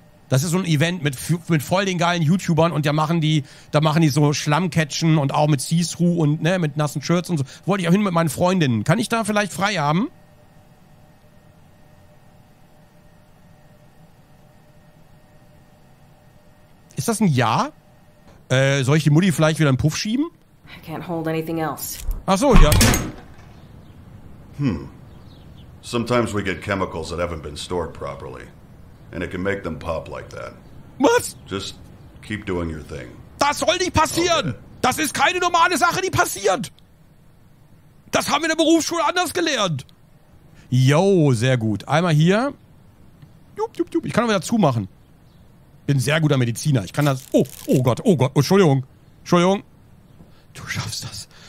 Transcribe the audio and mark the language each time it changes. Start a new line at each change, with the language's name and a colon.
German: Das ist so ein Event mit voll den geilen YouTubern und da machen die so Schlammcatchen und auch mit See-Through und ne, mit nassen Shirts und so. Wollte ich auch hin mit meinen Freundinnen. Kann ich da vielleicht frei haben? Ist das ein Ja? Soll ich die Mutti vielleicht wieder einen Puff schieben?
English: I can't hold anything else.
German: Ach so, ja.
English: Sometimes we get chemicals that haven't been stored properly. And it can make them pop like that.
German: Was?
English: Just keep doing your thing.
German: Das soll nicht passieren! Okay. Das ist keine normale Sache, die passiert! Das haben wir in der Berufsschule anders gelernt! Yo, sehr gut. Einmal hier. Jup. Ich kann aber wieder zumachen. Bin sehr guter Mediziner. Ich kann das. Oh Gott. Entschuldigung. Du schaffst das.